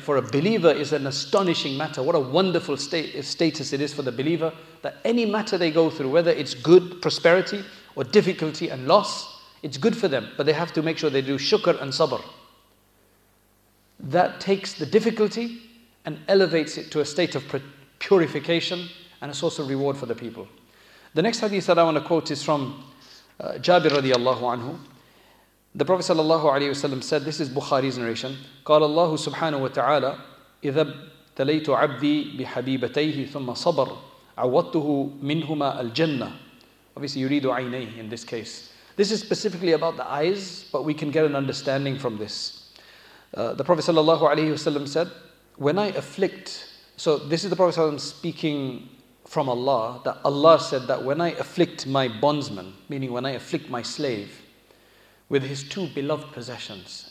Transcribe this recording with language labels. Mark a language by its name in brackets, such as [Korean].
[English] For a believer is an astonishing matter. What a wonderful status it is for the believer that any matter they go through, whether it's good, prosperity, or difficulty and loss, it's good for them. But they have to make sure they do shukr and sabr. That takes the difficulty and elevates it to a state of purification and a source of reward for the people. The next hadith that I want to quote is from Jabir radiallahu anhu. The Prophet sallallahu alaihi wasallam said, this is Bukhari's narration, [Arabic] قال الله سبحانه وتعالى إذا ابتليت عبدي بحبيبتيه ثم صبر عوضته منهما الجنة. [English] Obviously [Arabic] يريد عينيه [English] in this case. This is specifically about the eyes, but we can get an understanding from this. The Prophet sallallahu alaihi wasallam said, when I afflict, so this is the Prophet sallallahu alaihi wasallam speaking from Allah, that Allah said that when I afflict my bondsman, meaning when I afflict my slave, with his two beloved possessions.